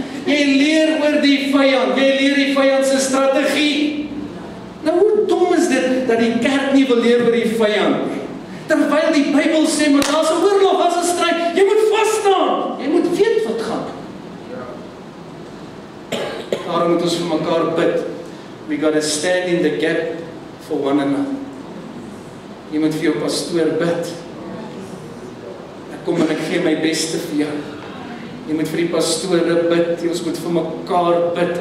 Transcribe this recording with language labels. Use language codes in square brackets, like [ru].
[af] Jy leer oor die vijand, jy leer die vijandse strategie. Nou hoe dom is dit, dat die kerk nie wil leer oor die vijand? Terwyl die Bybel sê, maar daar is een oorlog, daar is een strijd, jy moet vaststaan, jy moet weet wat gaan. Daarom moet ons vir mekaar bid. [en] We gotta stand in the gap for one another. [af] Jy moet vir jou pastoor bid. Ek kom en ek gee my beste vir jou. Jy moet vir die pastoor bid. Jy ons moet vir mekaar bid.